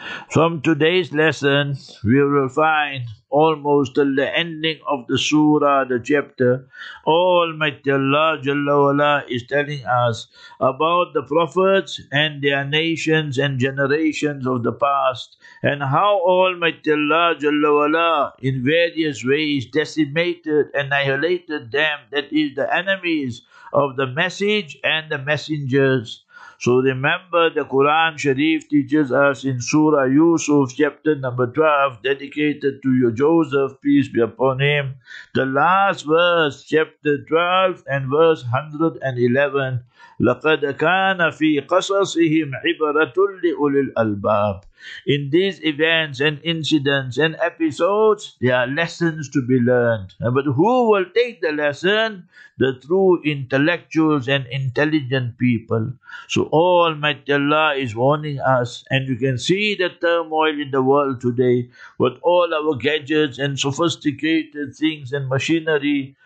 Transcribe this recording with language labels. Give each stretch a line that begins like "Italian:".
English: From today's lesson, we will find almost till the ending of the surah, the chapter, Almighty Allah Jalla Wala is telling us about the prophets and their nations and generations of the past, and how Almighty Allah Jalla Wala in various ways decimated, annihilated them, that is the enemies of the message and the messengers. So remember, the Quran Sharif teaches us in Surah Yusuf, chapter number 12, dedicated to your Joseph, peace be upon him. The last verse, chapter 12 and verse 111,
Arabic: لَقَدْ كَانَ فِي قَصَصِهِمْ عِبَرَةٌ لِأُولِي الْأَلْبَابِ.
English: In these events and incidents and episodes, there are lessons to be learned. But who will take the lesson? The true intellectuals and intelligent people. So Almighty Allah is warning us, and you can see the turmoil in the world today with all our gadgets and sophisticated things and machinery.